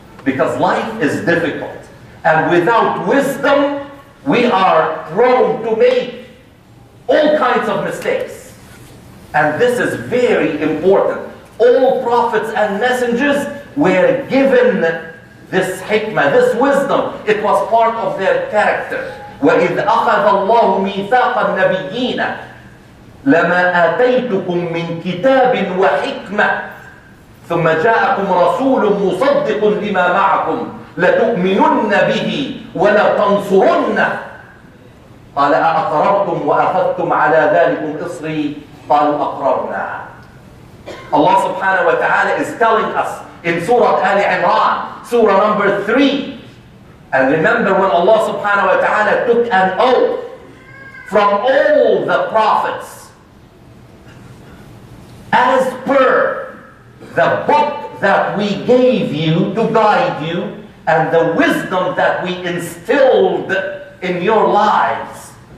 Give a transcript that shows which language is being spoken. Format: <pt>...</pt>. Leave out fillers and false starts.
<en>Because life is difficult. And without wisdom, we are prone to make all kinds of mistakes. And this is very important. All prophets and messengers were given this hikmah, this wisdom. It was part of their character.</en> <ar>وَإِذْ أَخَذَ اللَّهُ مِيثَاقَ النَّبِيِّينَ لَمَا آتَيْتُكُم مِّن كِتَابٍ وَحِكْمَةٍ ثم جاءكم رسول مصدق لما معكم لتؤمنن به ولتنصرنه قال أأقررتم وأخذتم على ذلكم إصري قالوا أقررنا</ar> <en>Allah subhanahu wa ta'ala is telling us in Surah Ali Imran, Surah number 3. And remember when Allah subhanahu wa ta'ala took an oath from all the prophets as per the book that we gave you to guide you, and the wisdom that we instilled in your lives.</en>